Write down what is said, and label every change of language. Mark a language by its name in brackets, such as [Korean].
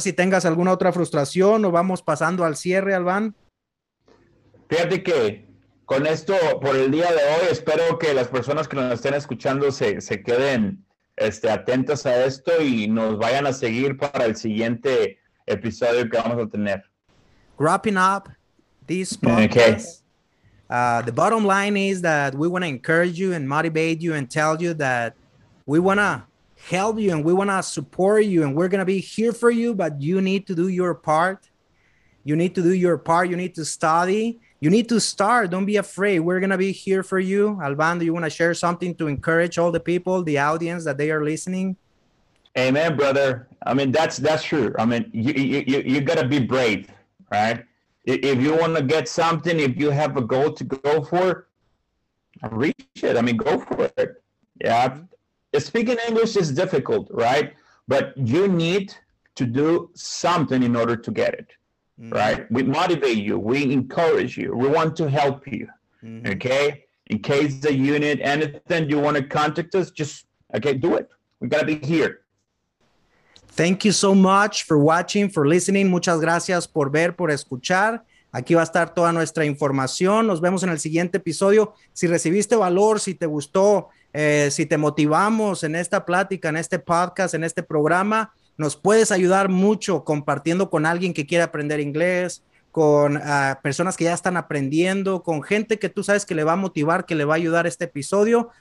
[Spanish] sé si tengas alguna otra frustración o vamos pasando al cierre, Albán. [English] Yeah, that's true. [Spanish] Fíjate que con esto, por el día de hoy, espero que las personas que nos estén escuchando se queden atentas a esto y nos vayan a seguir para el siguiente episodio que vamos a tener. [English] Wrapping up this Okay. podcast, the bottom line is that we want to encourage you and motivate you and tell you that we want to help you and we want to support you and we're going to be here for you, but you need to do your part. You need to do your part. You need to study. You need to start. Don't be afraid. We're going to be here for you. Alban, do you want to share something to encourage all the people, the audience that they are listening? Amen, brother. I mean, that's true. I mean, you gotta be brave, right? If you want to get something, if you have a goal to go for, reach it. I mean, go for it. Yeah. Speaking English is difficult, right? But you need to do something in order to get it, right? We motivate you. We encourage you. We want to help you. Okay? in case the unit, anything you want to contact us, just, okay, do it. We got to be here. Thank you so much for watching, for listening. [Spanish] Muchas gracias por ver, por escuchar. Aquí va a estar toda nuestra información. Nos vemos en el siguiente episodio. Si recibiste valor, si te gustó, si te motivamos en esta plática, en este podcast, en este programa, nos puedes ayudar mucho compartiendo con alguien que quiere aprender inglés, con personas que ya están aprendiendo, con gente que tú sabes que le va a motivar, que le va a ayudar este episodio.